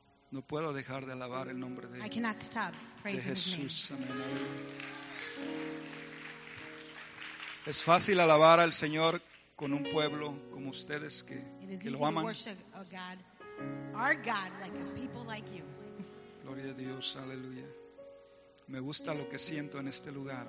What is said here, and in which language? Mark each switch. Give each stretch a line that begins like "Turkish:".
Spanish: No puedo dejar de alabar el nombre de
English: Jesús. I cannot stop praising
Spanish: de Jesús.
English: His name. Amen.
Spanish: Es fácil alabar al Señor con un pueblo como ustedes que lo aman.
English: It is easy to worship a God, our God, like a people like you.
Spanish: Gloria a Dios, aleluya. Me gusta lo que siento en este lugar.